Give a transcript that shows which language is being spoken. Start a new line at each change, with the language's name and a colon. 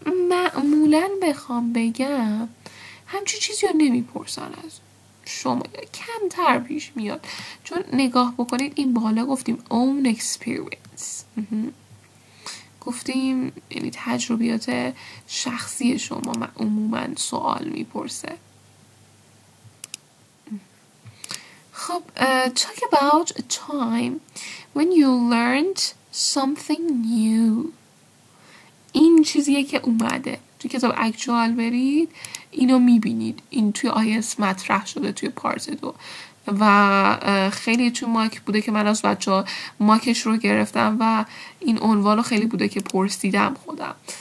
Persian: معمولا بخوام بگم همچی چیزی رو نمیپرسن از شما، کمتر پیش میاد. چون نگاه بکنید این بالا گفتیم
English: own experience،
Persian: گفتیم یعنی تجربیات شخصی شما عموما سوال میپرسه.
English: خب talk about a time when you learned something new.
Persian: این چیزیه که اومده تو کتاب اکچوال، برید اینو میبینید، این توی آیس مطرح شده توی پارت دو و خیلی تو ماک بوده که من از بچه ها ماکش رو گرفتم و این عنوانو خیلی بوده که پرسیدم خودم.